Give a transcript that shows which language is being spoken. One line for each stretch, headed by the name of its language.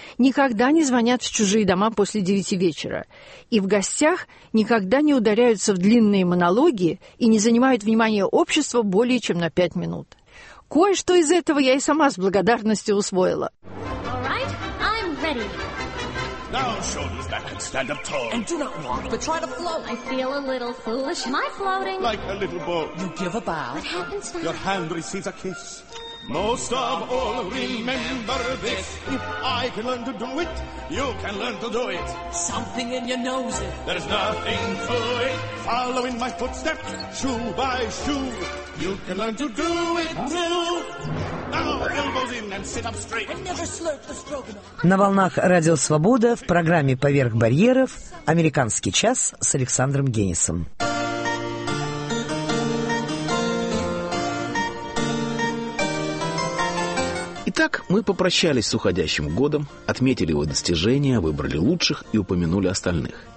Russian: Никогда не звонят в чужие дома после 9 вечера. И в гостях никогда не ударяются в длинные монологи и не занимают внимание общества более чем на 5 минут. Кое-что из этого я и сама с благодарностью усвоила.
English: Now shoulders back and stand up tall. And do not walk, but try to float. I feel a little foolish. Am I floating? Like a little boat. You give a bow. What happens now? Your hand receives a kiss. Most of all, remember this. If I can learn to do it, you can learn to do it. Something in your nose. There's nothing to it. Follow in my footsteps, shoe by shoe. You can learn to do it too.
Russian: На волнах Радио Свобода в программе «Поверх барьеров» «Американский час» с Александром Генисом. Итак, мы попрощались с уходящим годом, отметили его достижения, выбрали лучших и упомянули остальных.